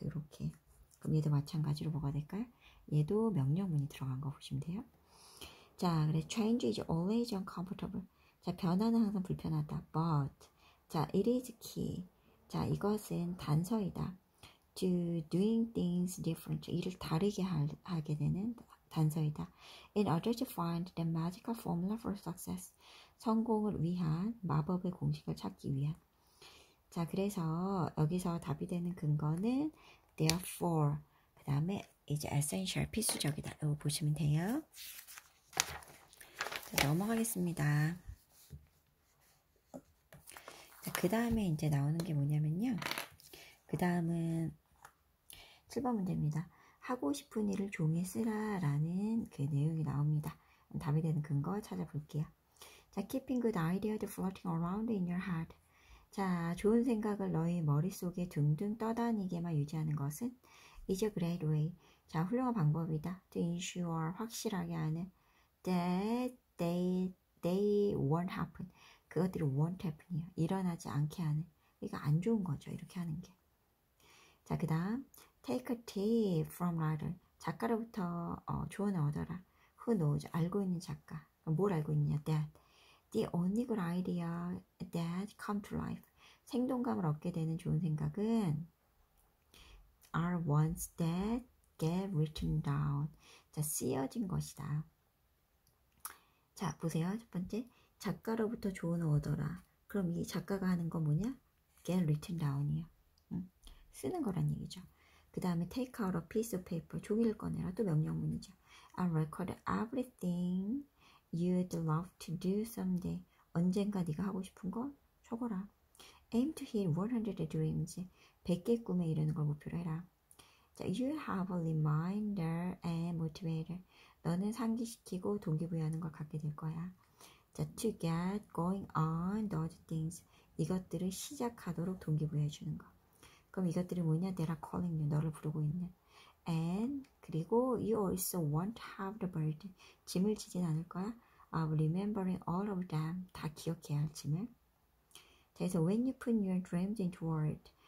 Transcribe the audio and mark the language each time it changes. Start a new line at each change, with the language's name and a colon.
Korean: 이렇게 그럼 얘도 마찬가지로 뭐가 될까요? 얘도 명령문이 들어간 거 보시면 돼요.
English: 자, 그래, change is always uncomfortable.
Korean: 자, 변화는 항상 불편하다.
English: But, 자, it is key.
Korean: 자, 이것은 단서이다.
English: To doing things differently.
Korean: 일을 다르게 하게 되는 단서이다.
English: In order to find the magical formula for success.
Korean: 성공을 위한 마법의 공식을 찾기 위한. 자, 그래서 여기서 답이 되는 근거는 therefore. 그 다음에 이제 essential, 필수적이다. 이거 보시면 돼요. 넘어가겠습니다. 그 다음에 이제 나오는 게 뭐냐면요. 그 다음은 7번 문제입니다. 하고 싶은 일을 종이에 쓰라라는 그 내용이 나옵니다. 답이 되는 근거 찾아볼게요.
English: 자, keeping good ideas floating around in your head.
Korean: 자, 좋은 생각을 너의 머릿속에 둥둥 떠다니게만 유지하는 것은
English: is a great way.
Korean: 자, 훌륭한 방법이다.
English: to ensure
Korean: 확실하게 하는
English: that They won't happen.
Korean: 그것들이
English: won't happen이에요.
Korean: 일어나지 않게 하는. 이거 안 좋은 거죠. 이렇게 하는 게. 자, 그 다음.
English: Take a tip from writer.
Korean: 작가로부터 조언을 얻어라.
English: Who knows?
Korean: 알고 있는 작가. 뭘 알고 있냐? That.
English: The only good idea that come to life.
Korean: 생동감을 얻게 되는 좋은 생각은
English: are ones that get written down.
Korean: 자, 쓰여진 것이다. 자, 보세요. 첫 번째, 작가로부터 조언을 얻어라. 그럼 이 작가가 하는 건 뭐냐?
English: Get written down이에요.
Korean: 쓰는 거란 얘기죠. 그 다음에
English: take out a piece of paper.
Korean: 종이를 꺼내라. 또 명령문이죠.
English: And record everything you'd love to do someday.
Korean: 언젠가 네가 하고 싶은 거 적어라.
English: Aim to hit 100 dreams.
Korean: 100개 꿈에 이르는 걸 목표로 해라.
English: 자, you have a reminder and motivator.
Korean: 너는 상기시키고 동기부여하는 걸 갖게 될 거야.
English: 자, to get going on those things.
Korean: 이것들을 시작하도록 동기부여해 주는 거. 그럼 이것들이 뭐냐?
English: They are calling you.
Korean: 너를 부르고 있는.
English: And,
Korean: 그리고
English: you also won't have the burden.
Korean: 짐을 지진 않을 거야.
English: Of remembering all of them.
Korean: 다 기억해야 할 짐을.
English: 자, 그래서 when you put your dreams into words.